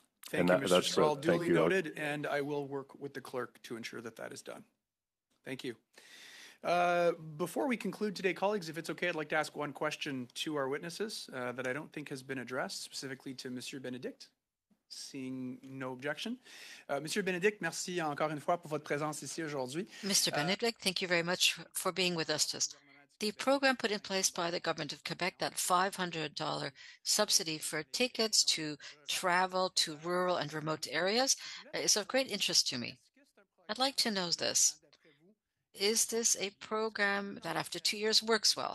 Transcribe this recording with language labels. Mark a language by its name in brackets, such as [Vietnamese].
[English] Thank you, Mr. Strahl. Duly noted, and I will work with the clerk to ensure that that is done. Thank you. Before we conclude today, colleagues, if it's okay, I'd like to ask one question to our witnesses that I don't think has been addressed, specifically to Monsieur Benedict. Seeing no objection. [French] Monsieur Benedict, merci encore une fois pour votre présence ici aujourd'hui. [English] Mr. Benedict, thank you very much for being with us. The program put in place by the government of Quebec, that $500 subsidy for tickets to travel to rural and remote areas, is of great interest to me. I'd like to know this. Is this a program that after 2 years works well?